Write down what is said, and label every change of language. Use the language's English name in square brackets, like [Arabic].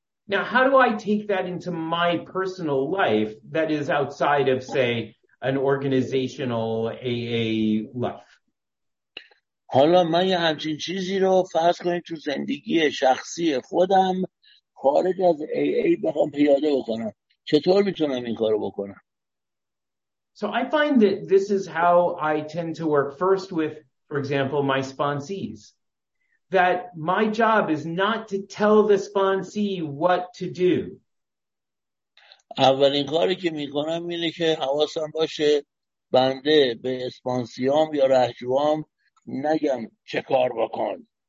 [English] Now, how do I take that into my personal life that is outside of, say, an organizational AA life? [Persian] حالا من یه همچین چیزی رو فرض کنید تو زندگی شخصی خودم خارج از AA بخوام پیاده بکنم، چطور میتونم این کارو بکنم؟ [English] So I find that this is how I tend to work first with, for example, my sponsees. That my job is not to tell the sponsee what to do. [Persian] اولین کاری که میکنم اینه که حواسم باشه بنده به اسپانسیام یا رهجوام نگم چه کار بکن.